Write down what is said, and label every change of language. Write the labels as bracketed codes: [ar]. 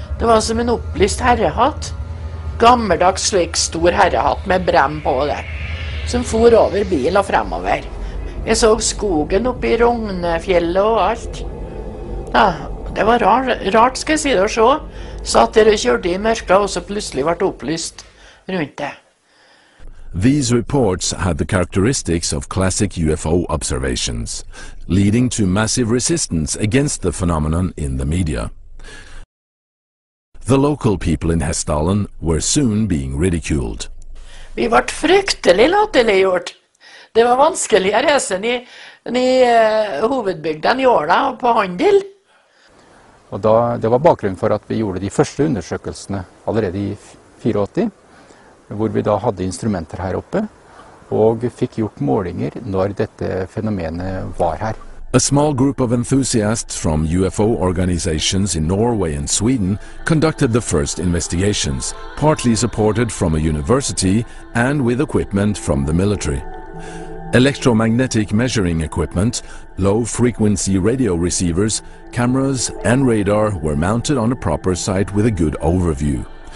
[no] Det var som en opplyst herrehatt. Gammeldags slik stor herrehatt med brem på det. Som for over bil og fremover. Jeg så skogen oppe i Rognefjellet og alt. Ja, det var rart skal jeg si det å se. Så at dere kjørte i mørket og så plutselig ble det opplyst rundt det. [en] These reports had the characteristics of classic UFO observations, leading to massive resistance against the phenomenon in the media. The local people in Hessdalen were soon being ridiculed. [no] Vi ble fryktelig latterliggjort. Det var vanskelig å reise i hovedbygden i Åla og på handel. Og da, det var bakgrunnen for at vi gjorde de første undersøkelsene allerede i 84. Hvor vi da hadde instrumenter her oppe, og fikk gjort målinger når dette fenomenet var her. [en] A small group of enthusiasts from UFO organizations in Norway and Sweden conducted the first investigations, partly supported from a university and with equipment from the military. Electromagnetic measuring equipment, low-frequency radio receivers, cameras and radar were mounted on a proper site with a good overview.